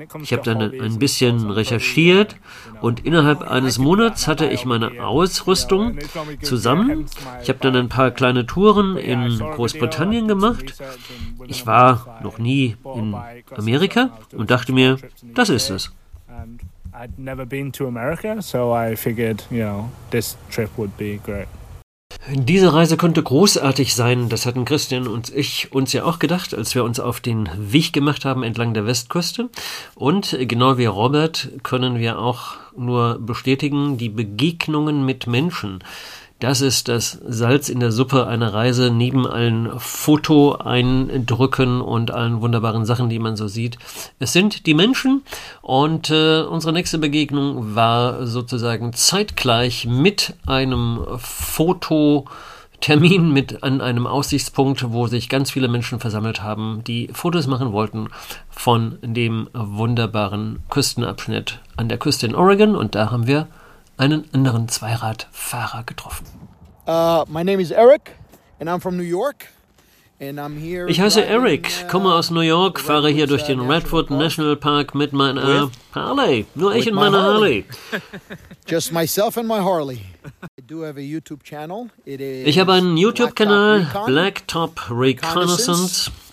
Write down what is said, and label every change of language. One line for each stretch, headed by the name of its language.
German: Ich habe dann ein bisschen recherchiert und innerhalb eines Monats hatte ich meine Ausrüstung zusammen. Ich habe dann ein paar kleine Touren in Großbritannien gemacht. Ich war noch nie in Amerika und dachte mir, das ist es.
English: I'd never been to America, so I figured, you know, this trip would be great.
German: Diese Reise könnte großartig sein, das hatten Christian und ich uns ja auch gedacht, als wir uns auf den Weg gemacht haben entlang der Westküste. Und genau wie Robert können wir auch nur bestätigen, die Begegnungen mit Menschen. Das ist das Salz in der Suppe einer Reise, neben allen Fotoeindrücken und allen wunderbaren Sachen, die man so sieht. Es sind die Menschen und unsere nächste Begegnung war sozusagen zeitgleich mit einem Fototermin mit an einem Aussichtspunkt, wo sich ganz viele Menschen versammelt haben, die Fotos machen wollten von dem wunderbaren Küstenabschnitt an der Küste in Oregon. Und da haben wir einen anderen Zweiradfahrer getroffen.
English: My name is Eric and I'm from New York and I'm here.
German: Ich heiße Eric, komme aus New York, fahre hier durch den Redwood National Park mit meiner Harley. Nur ich und meine Harley.
English: Just myself and my Harley. I do have a YouTube channel. It is
German: Ich habe einen YouTube Kanal, Blacktop Reconnaissance.